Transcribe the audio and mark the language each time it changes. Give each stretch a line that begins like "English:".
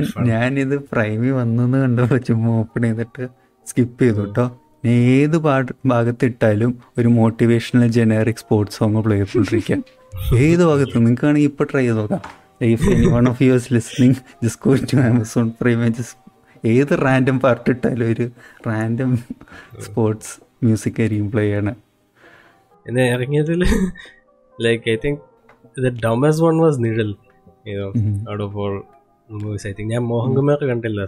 Malayalam: ഞാനിത് പ്രൈമി വന്നെന്ന് കണ്ടപ്പോ ചുമ്മാ ഓപ്പൺ ചെയ്തിട്ട് സ്കിപ്പ് ചെയ്തു കേട്ടോ. ഏത് ഭാഗത്തിട്ടാലും ഒരു motivational generic sports song play ചെയ്തുകൊണ്ടിരിക്കാം. ഏത് ഭാഗത്ത് നിങ്ങൾക്ക് വേണമെങ്കിൽ ഇപ്പൊ ട്രൈ ചെയ്ത് നോക്കാം.
English: If anyone of you is listening, just go to Amazon Prime and just
Malayalam: ഏത് റാൻഡം പാർട്ട് ഇട്ടാലും ഒരു റാൻഡം സ്പോർട്സ് മ്യൂസിക് ആയിരിക്കും പ്ലേ ചെയ്യണ. എന്നെ ഇറങ്ങിയതിൽ
English: Like I think the dumbest one was Nizhal. Out of all movies I think
Malayalam: ഞാൻ മോഹൻകുമാർ കണ്ടില്ല.